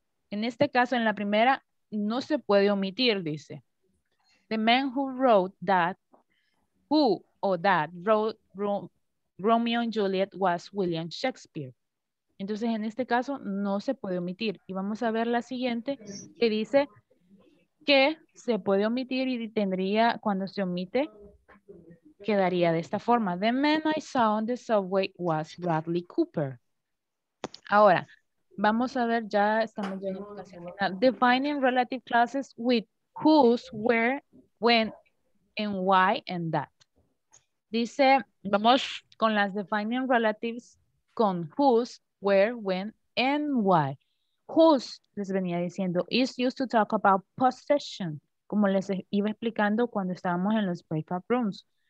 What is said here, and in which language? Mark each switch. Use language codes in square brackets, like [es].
[es] En este caso, en la primera, no se puede omitir, dice. [en] The man who wrote that, who or that wrote Romeo and Juliet was William Shakespeare. [es] Entonces, en este caso, no se puede omitir. Y vamos a ver la siguiente, que dice que se puede omitir y tendría, cuando se omite, quedaría de esta forma. [en] The man I saw on the subway was Bradley Cooper. [es] Ahora, vamos a ver, ya estamos ya en la segunda. [en] Defining relative clauses with whose, where, when, and why, and that. [es] Dice, vamos con las defining relatives con [en] whose, where, when, and why. [es] Whose, les venía diciendo, [en] is used to talk about possession, [es] como les iba explicando cuando estábamos en los breakout rooms.